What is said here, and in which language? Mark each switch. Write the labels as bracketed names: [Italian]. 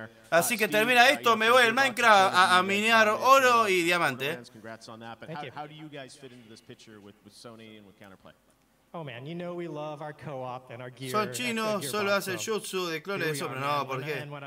[Spanish] Así que termina esto, me voy al Minecraft a minear oro y diamante. [English] How do you guys fit into this picture with Sony and with Counterplay? Oh man, you know we love our co-op and our gear. [Spanish] Son chinos, solo hace el jutsu de clones de sombra, no, ¿por qué?